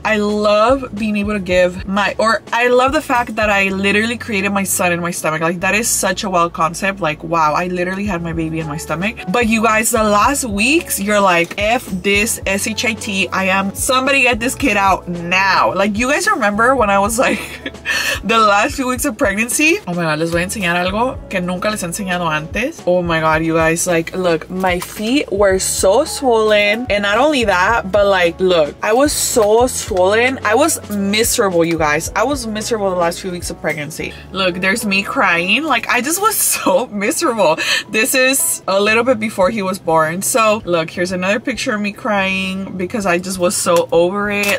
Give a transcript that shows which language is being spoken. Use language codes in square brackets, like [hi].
[en] I love being able to give my, or I love the fact that I literally created my son in my stomach. Like that is such a wild concept. Like, wow, I literally had my baby in my stomach. But you guys, the last weeks, you're like, F this, S-H-I-T, I am, somebody get this kid out now. Like, you guys remember when I was like, the last few weeks of pregnancy? Oh my God, [es] les voy a enseñar algo que nunca les he enseñado antes. [en] Oh my God, you guys, like, look, my feet were so swollen. And not only that, but like, look, I was so swollen. I was miserable, you guys. I was miserable the last few weeks of pregnancy. Look, there's me crying. Like, I just was so miserable. This is a little bit before he was born. So look, here's another picture of me crying because I just was so over it.